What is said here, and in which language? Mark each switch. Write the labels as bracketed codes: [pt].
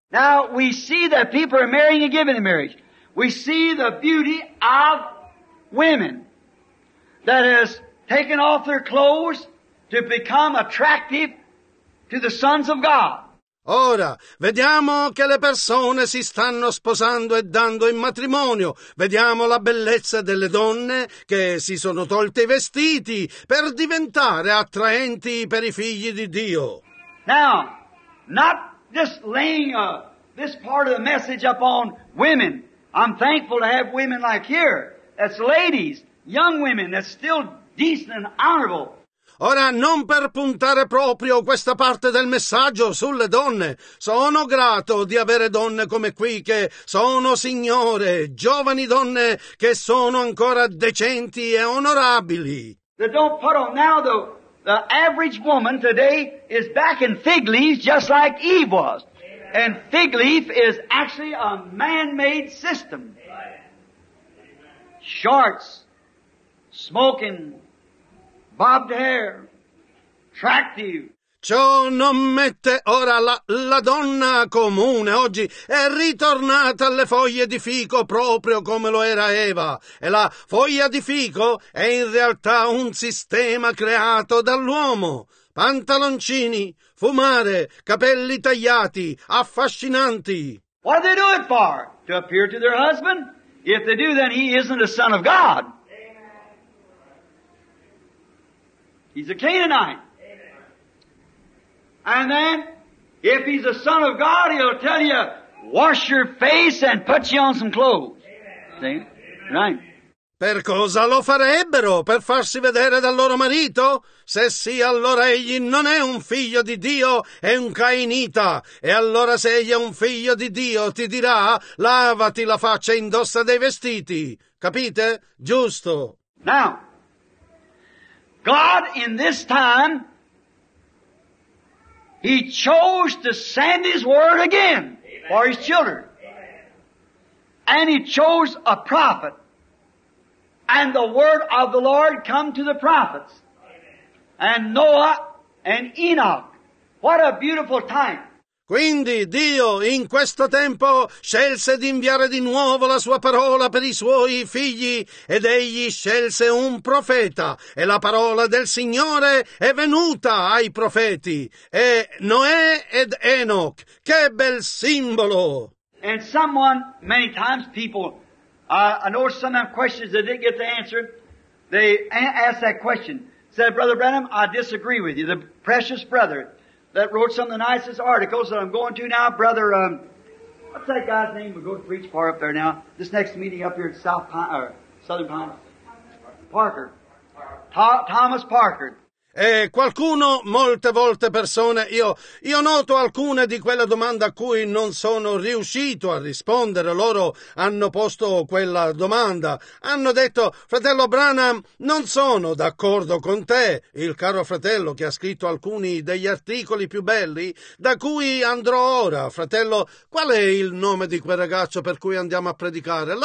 [en] Now we see that people are marrying and giving in marriage. We see the beauty of women that has taken off their clothes to become attractive to the sons of God. [it] Ora, vediamo che le persone si stanno sposando e dando in matrimonio. Vediamo la bellezza delle donne che si sono tolte i vestiti per diventare attraenti per i figli di Dio. [en] Now, not just laying this part of the message upon women. I'm thankful to have women like here. That's ladies, young women, that's still decent and honorable. [it] Ora, non per puntare proprio questa parte del messaggio sulle donne. Sono grato di avere donne come qui che sono signore, giovani donne che sono ancora decenti e onorabili. [en] They don't put on now the average woman today is back in fig leaves just like Eve was. And fig leaf is actually a man-made system. Shorts, smoking, bobbed hair, attractive. [it] Ciò non mette ora la donna comune oggi è ritornata alle foglie di fico proprio come lo era Eva. E la foglia di fico è in realtà un sistema creato dall'uomo. Pantaloncini, fumare, capelli tagliati, affascinanti. [en] What do they do it for? To appear to their husband? If they do, then he isn't a son of God. He's a Canaanite. And then, if he's a son of God, he'll tell you, wash your face and put you on some clothes. See? Right. [it] Per cosa lo farebbero? Per farsi vedere dal loro marito? Se sì, allora egli non è un figlio di Dio, è un cainita. E allora se egli è un figlio di Dio, ti dirà, lavati la faccia e indossa dei vestiti. Capite? Giusto. [en] Now, God in this time, he chose to send his word again for his children. And he chose a prophet. And the word of the Lord come to the prophets. And Noah and Enoch. What a beautiful time. [it] Quindi Dio in questo tempo scelse di inviare di nuovo la sua parola per i suoi figli ed egli scelse un profeta e la parola del Signore è venuta ai profeti e Noè ed Enoch. Che bel simbolo! [en] And someone, many times people, I know some of the questions they didn't get to answer. They asked that question. Said, Brother Branham, I disagree with you. The precious brother that wrote some of the nicest articles that I'm going to now, Brother, what's that guy's name? We're going to preach far up there now. This next meeting up here at South Pine, or Southern Pine. Parker. Thomas Parker. [it] E qualcuno, molte volte persone, io noto alcune di quelle domande a cui non sono riuscito a rispondere, loro hanno posto quella domanda, hanno detto, fratello Branham, non sono d'accordo con te, il caro fratello che ha scritto alcuni degli articoli più belli, da cui andrò ora, fratello, qual è il nome di quel ragazzo per cui andiamo a predicare?